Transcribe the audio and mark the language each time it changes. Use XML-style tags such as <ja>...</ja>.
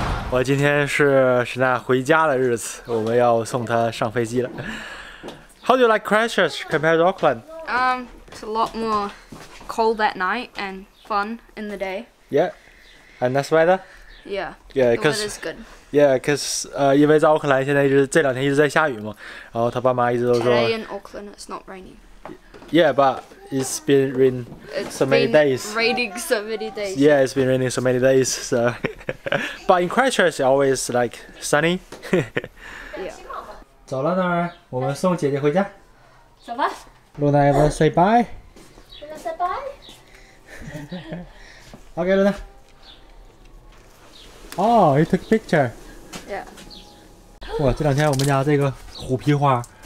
<zh>我今天是沈娜回家的日子，我们要送她上飞机了。</zh> <en>How do you like Christchurch compared to Auckland? It's a lot more cold at night and fun in the day. Yeah, and nice weather. Yeah, the weather's good. Yeah, cause</en> <zh>因为在奥克兰现在一直这两天一直在下雨嘛，然后她爸妈一直都说。</zh> <en>Today in Auckland, it's not raining. Yeah, but it's been raining so many days. It's been raining so many days. Yeah, it's been raining so many days. So. But in Christchurch, it's always like sunny. Yeah.</en> <zh>走了，娜儿，我们送姐姐回家。走吧。</zh> <en>Luna, you wanna say bye? Luna, say bye. Okay, Luna. Oh, you took a picture. Yeah.</en> <zh>哇，这两天我们家这个虎皮花。</zh>